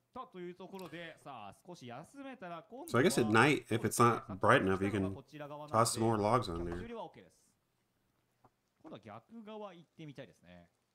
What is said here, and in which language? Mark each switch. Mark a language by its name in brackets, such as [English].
[Japanese] たというところで、さあ少し休めたら今度は。 [English] So I guess at night, if it's not bright enough, you can toss some more logs on there. [Japanese] 修理は OK です。今度は逆側行ってみたいですね。